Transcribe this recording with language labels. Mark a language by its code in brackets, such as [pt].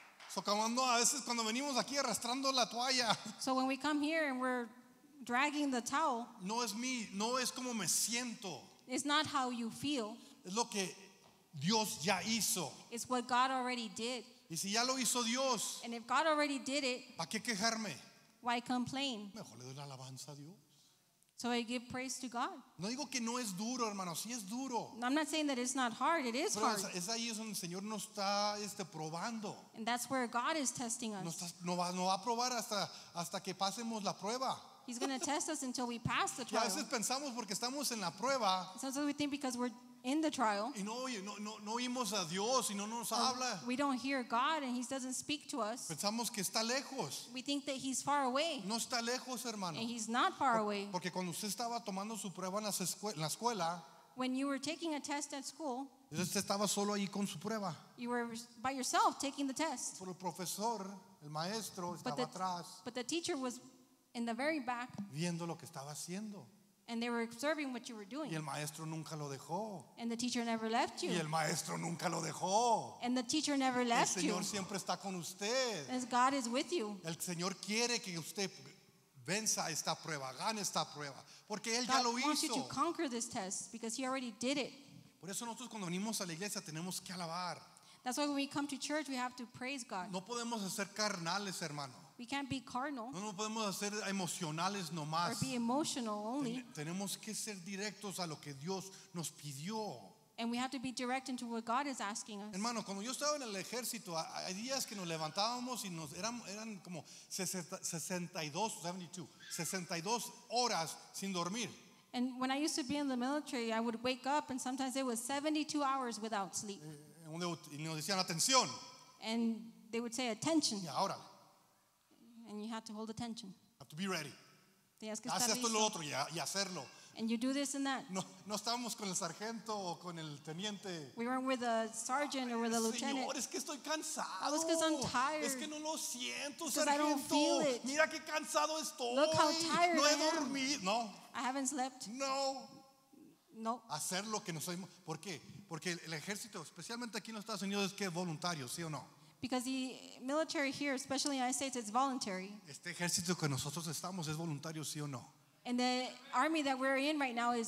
[es] So cuando a veces cuando venimos aquí arrastrando la toalla. [en] So when we come here and we're dragging the towel. [es] No es como me siento. [en] It's not how you feel. [es] Es lo que Dios ya hizo. [en] It's what God already did. [es] Y si ya lo hizo Dios, [en] and if God already did it, [es] ¿para qué quejarme? [en] Why complain? [es] Mejor le doy la alabanza a Dios. [en] So I give praise to God. [es] No digo que no es duro, hermano. Sí es duro. [en] I'm not saying that it's not hard. It is [es] pero [en] hard. [es] Es ahí donde el Señor nos está probando. [en] And that's where God is testing us. [es] No va a probar hasta que pasemos la prueba. [en] He's going to test us until we pass the trial. [es] Y a veces pensamos porque estamos en la prueba. [en] Sometimes we think because we're in the trial. [es] Y no oímos a Dios y no nos habla. [en] We don't hear God and he doesn't speak to us. [es] Pensamos que está lejos. [en] We think that he's far away. [es] No está lejos, hermano. [en] And he's not far away. [es] Porque cuando usted estaba tomando su prueba en la escuela, [en] when you were taking a test at school, [es] usted estaba solo ahí con su prueba. [en] You were by yourself taking the test. [es] Pero el profesor, el maestro estaba atrás. [en] But the teacher was in the very back, [es] viendo lo que estaba haciendo. [en] And they were observing what you were doing. [es] Y el maestro nunca lo dejó. [en] And the teacher never left you. [es] Y el maestro nunca lo dejó. [en] And the teacher never left you. [es] El Señor siempre está con usted. [en] As God is with you. [es] El Señor quiere que usted venza esta prueba, gane esta prueba, porque él ya lo hizo. [en] God wants you to conquer this test because he already did it. [es] Por eso nosotros cuando venimos a la iglesia tenemos que alabar. [en] That's why when we come to church we have to praise God. [es] No podemos ser carnales, hermano. [en] We can't be carnal. [es] No podemos ser emocionales nomás. [en] Or be emotional only. [es] Tenemos que ser directos a lo que Dios nos pidió. [en] And we have to be direct into what God is asking us. [es] Hermano, cuando yo estaba en el ejército, hay días que nos levantábamos y eran como 62 horas sin dormir. [en] And when I used to be in the military, I would wake up and sometimes it was 72 hours without sleep. [es] Y nos decían atención. [en] And they would say attention. [es] Y ahora. [en] And you have to hold attention. Have to be ready. [es] Tienes que hacer esto y lo otro y hacerlo. [en] And you do this and that. [es] No estábamos con el sargento o con el teniente. [en] We weren't with the sergeant or with the lieutenant. [es] Señor, es que estoy cansado. [en] I was because I'm tired. [es] Es que no lo siento, [en] because [es] sargento. [en] I don't feel it. [es] Mira qué cansado estoy. [en] Look how tired [es] no he dormido. No. [en] I haven't slept. [es] No. [en] No. [es] Hacer lo que nos oímos. ¿Por qué? Porque el ejército, especialmente aquí en los Estados Unidos, es que es voluntario, ¿sí o no? [en] Because the military here, especially in the United States, it's voluntary. [es] Este ejército que nosotros estamos es voluntario, ¿sí o no? [en] And the army that we're in right now is